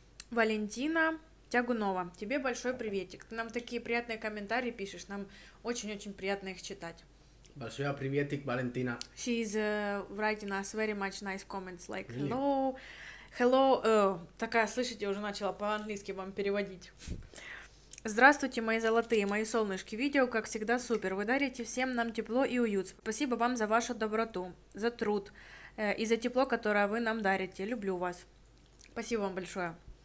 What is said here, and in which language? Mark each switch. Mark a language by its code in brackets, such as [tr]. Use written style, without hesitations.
[ru] Валентина Тягунова, тебе большой приветик. Ты нам такие приятные комментарии пишешь, нам очень-очень приятно их читать. Большой приветик, Валентина. [en] She's writing us very much nice comments, like really? Hello, hello. [ru] Такая, слышите, уже начала по-английски вам переводить. Здравствуйте, мои золотые, мои солнышки. Видео, как всегда, супер. Вы дарите всем нам тепло и уют. Спасибо вам за вашу доброту, за труд и за тепло, которое вы нам дарите. Люблю вас. Спасибо вам большое.